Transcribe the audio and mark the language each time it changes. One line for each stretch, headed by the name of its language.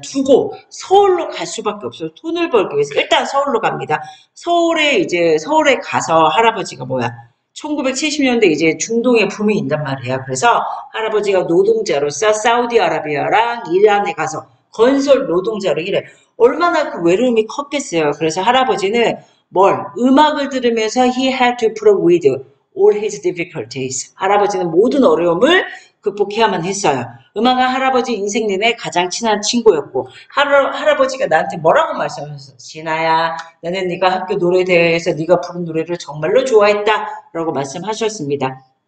Korean: 두고 서울로 갈 수밖에 없어. 돈을 벌기 위해서 일단 서울로 갑니다. 서울에 가서 할아버지가 뭐야? 1970년대 이제 중동에 붐이 있단 말이야. 그래서 할아버지가 노동자로서 사우디아라비아랑 이란에 가서 건설 노동자로 일해. 얼마나 그 외로움이 컸겠어요. 그래서 할아버지는 뭘? 음악을 들으면서
English: he had to put up with all his difficulties.
Korean: 할아버지는 모든 어려움을 극복해야만 했어요. 음악은 할아버지 인생 내내 가장 친한 친구였고, 할아버지가 나한테 뭐라고 말씀하셨어? 진아야, 너는 네가 학교 노래 대회에서 네가 부른 노래를 정말로 좋아했다 라고 말씀하셨습니다.